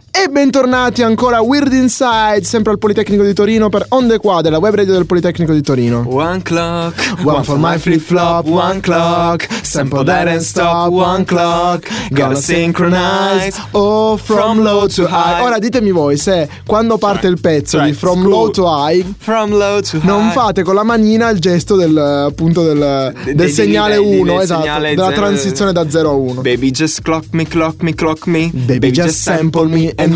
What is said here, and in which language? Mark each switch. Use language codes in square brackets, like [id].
[it] Bentornati ancora a Weird Inside, sempre al Politecnico di Torino, per On The Quad, la web radio del Politecnico di Torino. [en] One clock, one for my flip-flop, one clock, sample that and stop, one clock, gotta synchronize, oh, from low to high. [it] Ora ditemi voi se quando parte il pezzo di [en] from low to high, from low to high, [it] non fate con la manina il gesto del, appunto, del segnale 1, esatto, della transizione da 0 a 1. [en] Baby, just clock me, baby, just sample me, and